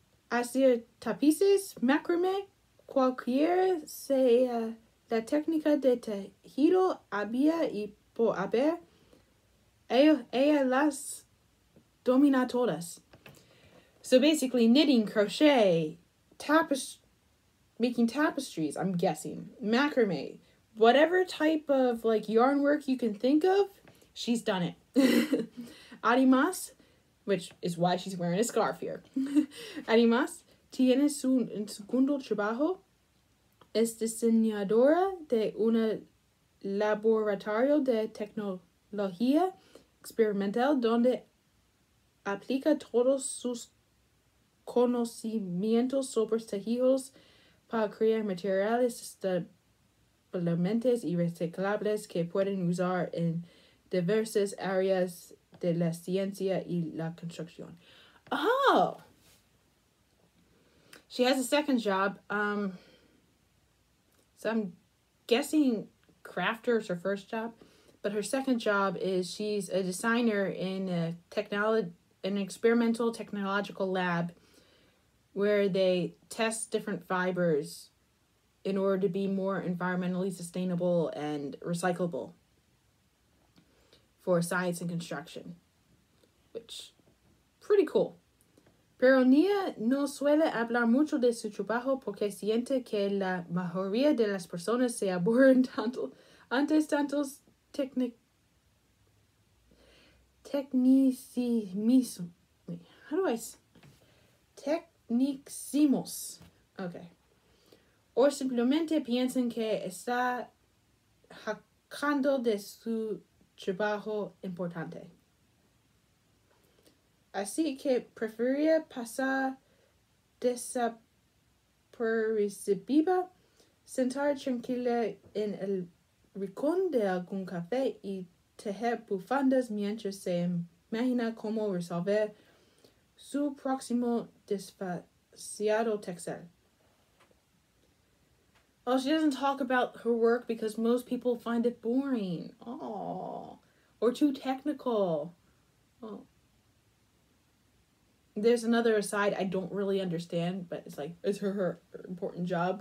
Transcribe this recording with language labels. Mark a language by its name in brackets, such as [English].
[Spanish] Hacer tapices, macrame, cualquier sea la técnica de tejido, había y por haber, ella las domina todas. [English] So basically knitting, crochet, making tapestries, I'm guessing, macrame, whatever type of like yarn work you can think of, she's done it. [Spanish] Además, [English] which is why she's wearing a scarf here. [Spanish] Además, tiene su segundo trabajo. Es diseñadora de un laboratorio de tecnología experimental donde aplica todos sus conocimientos sobre tejidos para crear materiales estabilizantes y reciclables que pueden usar en diversas áreas de la ciencia y la construcción. [English] Oh! She has a second job. So I'm guessing crafter is her first job, but her second job is she's a designer in an experimental technological lab where they test different fibers in order to be more environmentally sustainable and recyclable for science and construction, which pretty cool. [Spanish] Pero Nia no suele hablar mucho de su trabajo porque siente que la mayoría de las personas se aburren tanto antes tantos tecnicismos. [English] Okay. [Spanish] O simplemente piensan que está jacando de su trabajo importante. Así que prefería pasar desapercibida, sentar tranquila en el rincón de algún café y tejer bufandas mientras se imagina cómo resolver su próximo desfaciado textil. [English] Oh, she doesn't talk about her work because most people find it boring. Oh, or too technical. Oh. There's another aside I don't really understand, but it's like, is her important job?